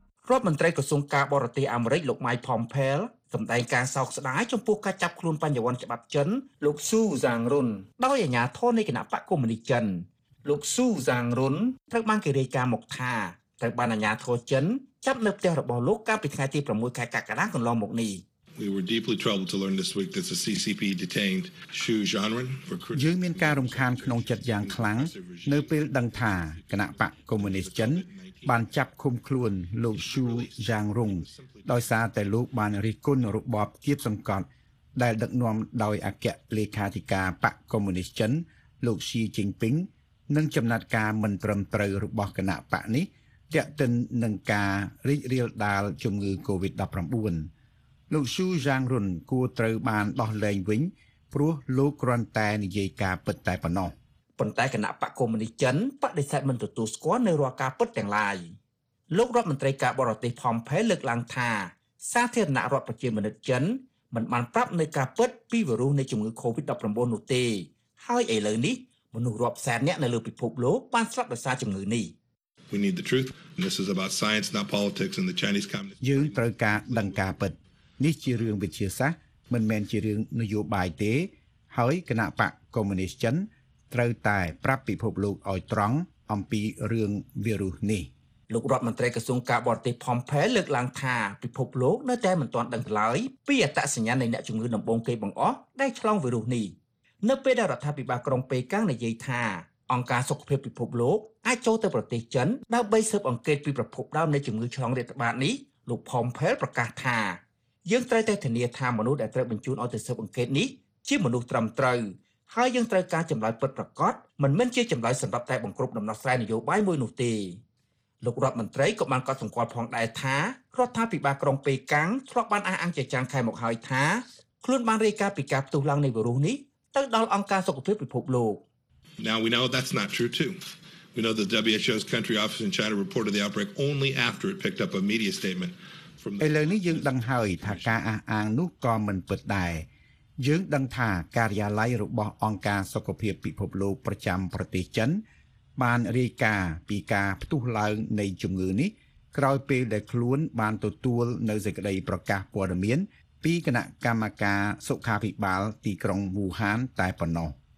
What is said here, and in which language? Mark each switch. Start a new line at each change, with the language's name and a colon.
Khmer: រដ្ឋមន្ត្រីក្រសួងការបរទេសអាមេរិកលោក Mike Pompeo សម្ដែងការសោកស្ដាយចំពោះការចាប់ខ្លួនបញ្ញវន្តច្បាប់ចិនលោក Su Zhangrun ដោយអាជ្ញាធរនៃគណៈបកកុម្មុយនីស្តចិនលោក Su Zhangrun ត្រូវបានគេរាយការណ៍មកថាត្រូវបានអាជ្ញាធរចិន ចាប់នៅផ្ទះរបស់លោកកាលពីថ្ងៃទី6ខែកក្កដាកន្លងមកនេះ
English: We were deeply troubled to learn this week that the CCP detained Xu Zhanren
Khmer: for យើងមានការរំខានក្នុងចិត្តយ៉ាងខ្លាំងនៅពេលដឹងថាគណៈបកកុម្មុយនីស្តចិនបានចាប់ឃុំខ្លួនលោកឈូយ៉ាងរុងដោយសារតែលោកបានរិះគន់របបគៀបសង្កត់ដែលដឹកនាំដោយអគ្គលេខាធិការបកកុម្មុយនីស្តចិនលោកស៊ីជីងពីង និងចំណាត់ការមិនត្រឹមត្រូវរបស់គណៈបកនេះទាក់ទិននឹងការរីករាលដាលជំងឺ COVID-19 លោកឈូយ៉ាងរុងគួរត្រូវបានដោះលែងវិញព្រោះលោកគ្រាន់តែនិយាយការពិតតែប៉ុណ្ណោះ ប៉ុន្តែគណៈបកកុម្មុយនីស្តចិនបដិសេធមិនទទួលស្គាល់នៅរាល់ការពុតទាំងឡាយលោករដ្ឋមន្ត្រីការបរទេសផមផេលើកឡើងថាសាធារណរដ្ឋប្រជាមានិតចិនមិនបានប្រាប់នៅការពុតពីវីរុសនៃជំងឺ COVID-19 នោះទេហើយឥឡូវនេះមនុស្សរាប់សែននាក់នៅលើពិភពលោកបានស្លាប់ដោយសារជំងឺនេះ
English: We need the truth and this is about science not politics and the Chinese Communist
Khmer: យើងត្រូវការដឹងការពុតនេះជារឿងវិទ្យាសាស្ត្រមិនមែនជារឿងនយោបាយទេហើយគណៈបកកុម្មុយនីស្តចិនត្រូវតែប្រាប់ពិភពលោកឲ្យត្រង់អំពីរឿងវីរុសនេះ លោករដ្ឋមន្ត្រីក្រសួងការបរទេសផមផេលើកឡើងថាពិភពលោកនៅតែមិនទាន់ដឹងឡើយពីអត្តសញ្ញាណនៃអ្នកជំងឺដំបងគេបង្អស់ដែលឆ្លងវីរុសនេះនៅពេលដែលរដ្ឋាភិបាលក្រុងប៉េកាំងនិយាយថាអង្គការសុខភាពពិភពលោកអាចចូលទៅប្រទេសចិនដើម្បីស៊ើបអង្កេតពីប្រភពដើមនៃជំងឺឆ្លងរាតត្បាតនេះលោកផមផេលប្រកាសថាយើងត្រូវតែធានាថាមនុស្សដែលត្រូវបញ្ជូនឲ្យទៅស៊ើបអង្កេតនេះជាមនុស្សត្រឹមត្រូវហើយយើងត្រូវការចម្លើយពិតប្រាកដមិនមែនជាចម្លើយសម្រាប់តែបង្ក្រប់ដំណោះស្រាយនយោបាយមួយនោះទេ លោករដ្ឋមន្ត្រីក៏បានកត់សម្គាល់ផងដែរថារដ្ឋាភិបាលក្រុងប៉េកាំងធ្លាប់បានអះអាងជាច្រើនខែមកហើយថាខ្លួនបានរាយការណ៍ពីការផ្ទុះឡើងនៃវីរុសនេះទៅដល់អង្គការសុខភាពពិភពលោក
English: Now we know that's not true too. We know the WHO's country office in China reported the outbreak only after it picked up a media statement from
Khmer: ឥឡូវនេះយើងដឹងហើយថាការអះអាងនោះក៏មិនពិតដែរយើងដឹងថាការិយាល័យរបស់អង្គការសុខភាពពិភពលោកប្រចាំប្រទេសចិនបានរាយការណ៍ពីការផ្ទុះឡើងនៃជំងឺនេះក្រោយពេលដែលខ្លួនបានទទួលនៅសេចក្តីប្រកាសព័ត៌មានពីគណៈកម្មការសុខាភិបាលទីក្រុងវូហានតែប៉ុណ្ណោះ